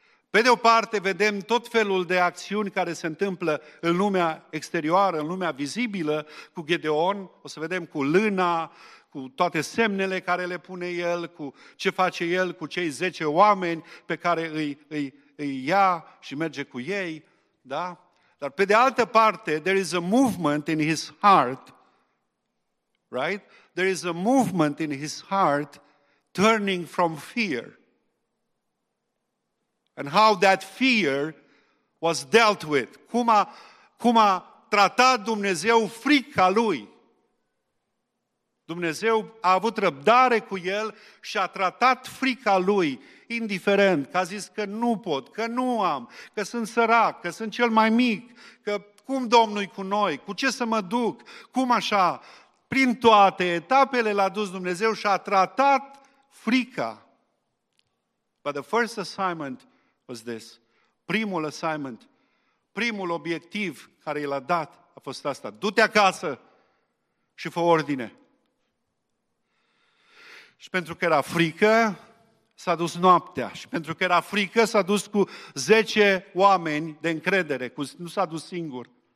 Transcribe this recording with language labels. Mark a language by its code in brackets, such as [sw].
[ro] Pe de o parte vedem tot felul de acțiuni care se întâmplă în lumea exterioară, în lumea vizibilă cu Gedeon, o să vedem cu lâna, cu toate semnele care le pune el, cu ce face el cu cei 10 oameni pe care îi ia și merge cu ei, da? Dar pe de altă parte, [en] there is a movement in his heart, right? There is a movement in his heart turning from fear. And how that fear was dealt with. [ro] Cum a tratat Dumnezeu frica lui. Dumnezeu a avut răbdare cu el și a tratat frica lui, indiferent, că a zis că nu pot, că nu am, că sunt sărac, că sunt cel mai mic, că cum Domnul e cu noi, cu ce să mă duc, cum așa. Prin toate etapele l-a dus Dumnezeu și a tratat frica. [en] But the first assignment was this. [ro] Primul assignment, primul obiectiv care i l-a dat a fost asta. Du-te acasă și fă ordine. Și pentru că era frică, s-a dus noaptea. Și pentru că era frică, s-a dus cu 10 oameni de încredere. Nu s-a dus singur.